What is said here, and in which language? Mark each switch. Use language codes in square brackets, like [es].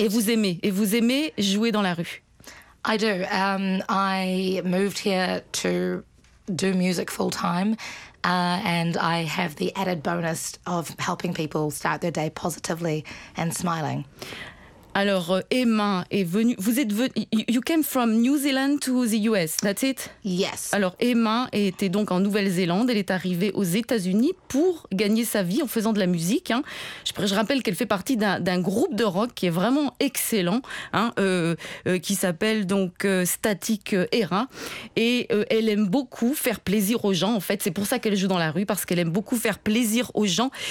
[fr] Et vous aimez jouer dans la rue. [en] I do. I moved here to do music full time, and I have the added bonus of helping people start their day positively and smiling. [fr] Alors, Emma est venue... [en] You came from New Zealand to the US, that's it? Yes. [fr] Alors, Emma était donc en Nouvelle-Zélande. Elle est arrivée aux États-Unis pour gagner sa vie en faisant de la musique. Hein. Je rappelle qu'elle fait partie d'un groupe de rock qui est vraiment excellent, hein, qui s'appelle donc Static Era. Et elle aime beaucoup faire plaisir aux gens, en fait. C'est pour ça qu'elle joue dans la rue, parce qu'elle aime beaucoup faire plaisir aux gens.